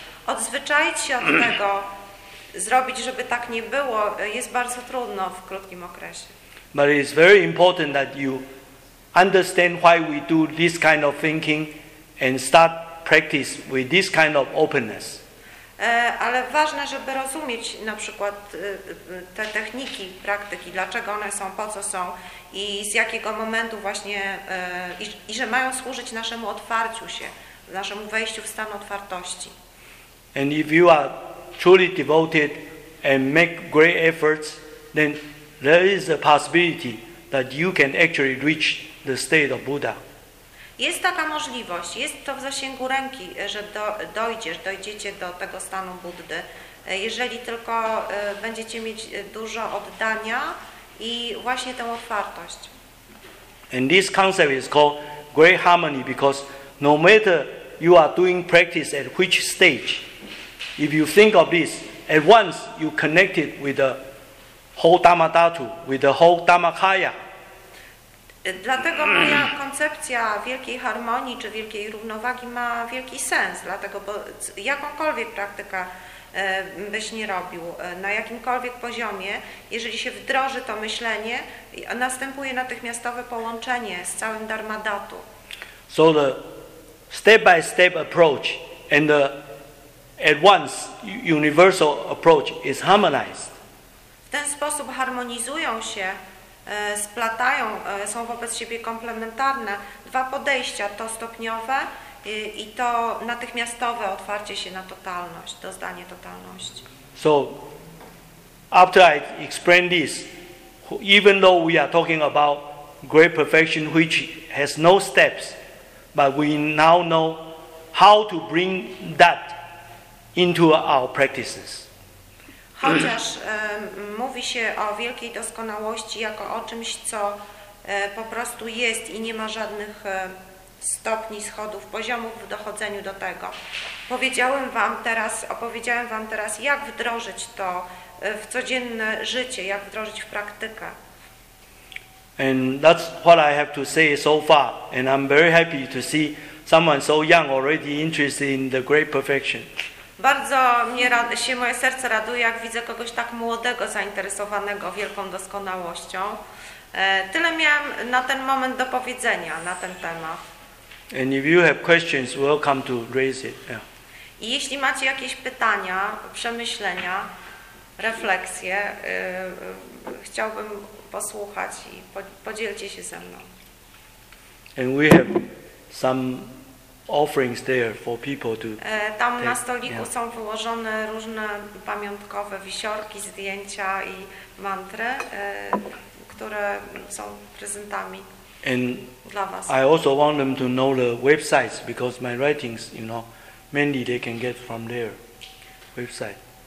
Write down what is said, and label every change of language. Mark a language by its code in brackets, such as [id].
[pl] Odzwyczaić się od tego, zrobić, żeby tak nie było, jest bardzo trudno w krótkim okresie. [en] But it's very important that you understand why we do this kind of thinking and start practice with this kind of openness. [pl] Ale ważne, żeby rozumieć na przykład te techniki praktyki, dlaczego one są, po co są i z jakiego momentu właśnie, i że mają służyć naszemu otwarciu się, naszemu wejściu w stan otwartości. [en] And if you are truly devoted and make great efforts, then there is a possibility that you can actually reach the state of Buddha. [pl] Jest taka możliwość, jest to w zasięgu ręki, że dojdziecie do tego stanu Buddy, jeżeli tylko będziecie mieć dużo oddania i właśnie tę otwartość. [en] And this concept is called great harmony because no matter you are doing practice at which stage, if you think of this, at once you connect it with the whole Dhamma Dhatu, with the whole Dhammakaya. [pl] Dlatego moja koncepcja wielkiej harmonii czy wielkiej równowagi ma wielki sens, dlatego bo jakąkolwiek praktykę byś nie robił, na jakimkolwiek poziomie, jeżeli się wdroży to myślenie, następuje natychmiastowe połączenie z całym Dharma Dhatu. [en] So the step by step approach and the at once universal approach is harmonized. [pl] W ten sposób harmonizują się, splatają, są wobec siebie komplementarne dwa podejścia, to stopniowe i to natychmiastowe otwarcie się na totalność, doznanie totalności. [en] So after I explain this, even though we are talking about great perfection which has no steps, but we now know how to bring that into our practices. [pl] Chociaż mówi się o wielkiej doskonałości jako o czymś, co po prostu jest i nie ma żadnych stopni, schodów, poziomów w dochodzeniu do tego. Powiedziałem wam teraz, opowiedziałem wam teraz, jak wdrożyć to w codzienne życie, jak wdrożyć w praktykę. [en] And that's what I have to say so far. And I'm very happy to see someone so young already interested in the great perfection. [pl] Bardzo mnie się moje serce raduje, jak widzę kogoś tak młodego, zainteresowanego wielką doskonałością. Tyle miałam na ten moment do powiedzenia na ten temat. [en] And if you have questions, welcome to raise it. Yeah. [pl] I jeśli macie jakieś pytania, przemyślenia, refleksje, chciałbym posłuchać i podzielcie się ze mną. [en] And we have some offerings there for people to [pl] tam [en] take. [pl] Na stoliku yeah. Są wyłożone różne pamiątkowe wisiorki, zdjęcia i mantry, które są prezentami [en] and [pl] dla was. [en] I also want them to know the websites because my writings, you know, mainly they can get from their website.